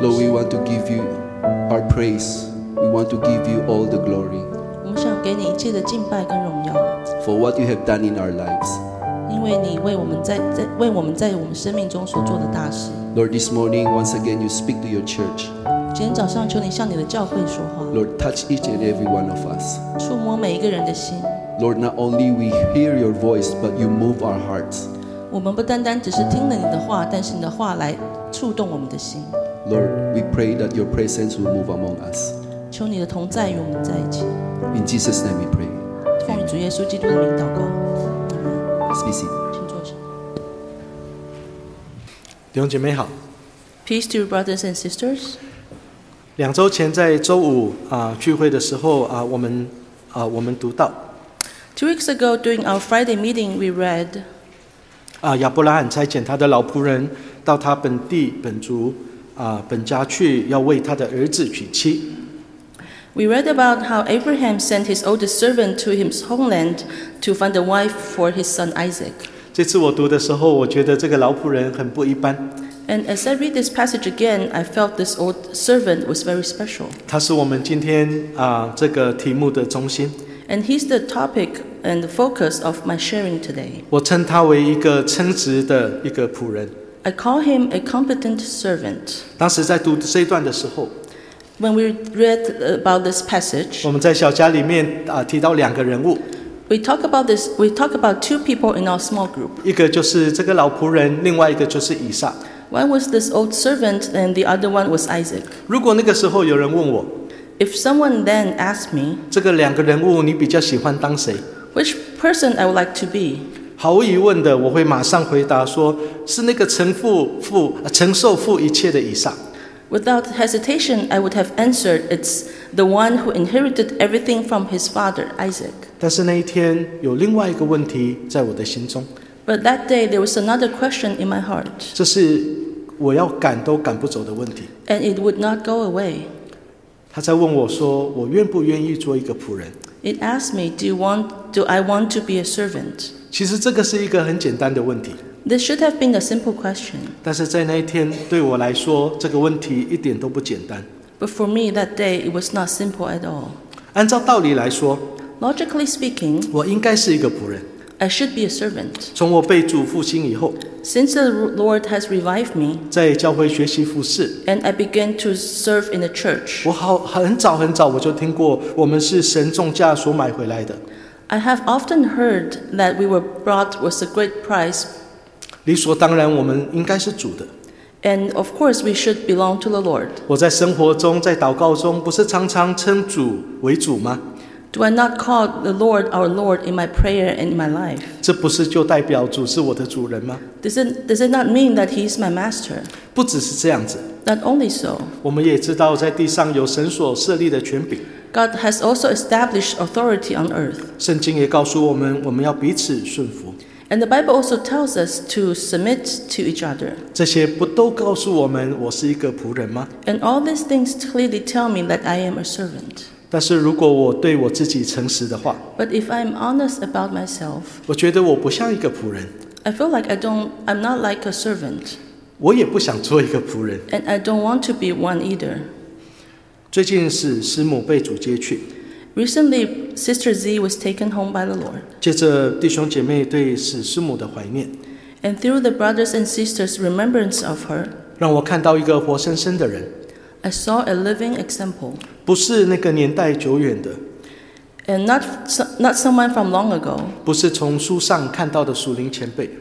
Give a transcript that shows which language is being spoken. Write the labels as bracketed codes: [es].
[en] 献。Lord, we want to give you our praise. We want to give you all the glory. [zh] 我们想给你一切的敬拜跟荣耀。 [en] For what you have done in our lives. [zh] 因为你为我们为我们在我们生命中所做的大事。 [en] Lord, this morning, once again, you speak to your church. [zh] 今天早上求你向你的教会说话。 [en] Lord, touch each and every one of us. [zh] 触摸每一个人的心。 [en] Lord, not only we hear your voice, but you move our hearts. [zh] 我们不单单只是听了你的话，但是你的话来触动我们的心。 [en] Lord, we pray that your presence will move among us. [zh] 求你的同在与我们在一起。 [en] In Jesus' name we pray. [zh] 奉主耶稣基督的名祷告。 [en] Let's be seated. [zh] 请坐下。弟兄姐妹好。 [en] Peace to your brothers and sisters. [zh] 两周前在周五聚会的时候我们读到。 [en] Two weeks ago, during our Friday meeting, we read. [zh] 亚伯拉罕差遣他的老仆人到他本地本族本家去，要为他的儿子娶妻。 [en] We read about how Abraham sent his oldest servant to his homeland to find a wife for his son Isaac. [zh] 这次我读的时候，我觉得这个老仆人很不一般。 [en] And as I read this passage again, I felt this old servant was very special. [zh] 他是我们今天这个题目的中心。 [en] And he's the topic and the focus of my sharing today. [zh] 我称他为一个称职的一个仆人。 [en] I call him a competent servant. [zh] 当时在读这一段的时候， [en] when we read about this passage, [zh] 我们在小家里面提到两个人物。 [en] We talk about this. We talk about two people in our small group. [zh] 一个就是这个老仆人，另外一个就是以撒。 [en] One was this old servant, and the other one was Isaac. [zh] 如果那个时候有人问我。 [en] If someone then asked me, [zh] 这个两个人物你比较喜欢当谁？ [en] Which person I would like to be? [zh] 毫无疑问的，我会马上回答说，是那个承受父一切的以撒。 [en] Without hesitation, I would have answered, it's the one who inherited everything from his father, Isaac. [zh] 但是那一天，有另外一个问题在我的心中。 [en] But that day, there was another question in my heart. [zh] 这是我要赶都赶不走的问题。 [en] And it would not go away. [zh] 他在问我说：“我愿不愿意做一个仆人 [en] ？”It asked me, "Do I want to be a servant?" [zh] 其实这个是一个很简单的问题。 [en] This should have been a simple question. [zh] 但是在那一天，对我来说，这个问题一点都不简单。 [en] But for me that day, it was not simple at all. [zh] 按照道理来说 [en] ，logically speaking， [zh] 我应该是一个仆人。 [en] I should be a servant. [zh] 从我被主复兴以后 [en] ，since the Lord has revived me， [zh] 在教会学习服事 [en] ，and I began to serve in the church， [zh] 我好很早很早我就听过，我们是神重价所买回来的。 [en] I have often heard that we were bought with a great price。 [zh] 理所当然，我们应该是主的。 [en] And of course, we should belong to the Lord。 [zh] 我在生活中，在祷告中，不是常常称主为主吗？ [en] Do I not call the Lord our Lord in my prayer and in my life? [zh] 这不是就代表主是我的主人吗？ [en] Does it not mean that he is my master? [zh] 不只是这样子。 [en] Not only so. [zh] 我们也知道在地上有神所设立的权柄。 [en] God has also established authority on earth. [zh] 圣经也告诉我们，我们要彼此顺服。 [en] And the Bible also tells us to submit to each other. [zh] 这些不都告诉我们我是一个仆人吗？ [en] And all these things clearly tell me that I am a servant. [zh] 但是如果我对我自己诚实的话 [en] But if I'm honest about myself, [zh] 我觉得我不像一个仆人 [en] I feel like I'm not like a servant [zh] 我也不想做一个仆人 [en] And I don't want to be one either [zh] 最近是师母被主接去 [en] Recently, Sister Z was taken home by the Lord [zh] 接着弟兄姐妹对师母的怀念 [en] And through the brothers and sisters remembrance of her [zh] 让我看到一个活生生的人 [en] I saw a living example. [zh] 不是那个年代久远的。 [en] And not someone from long ago. [zh] 不是从书上看到的属灵前辈。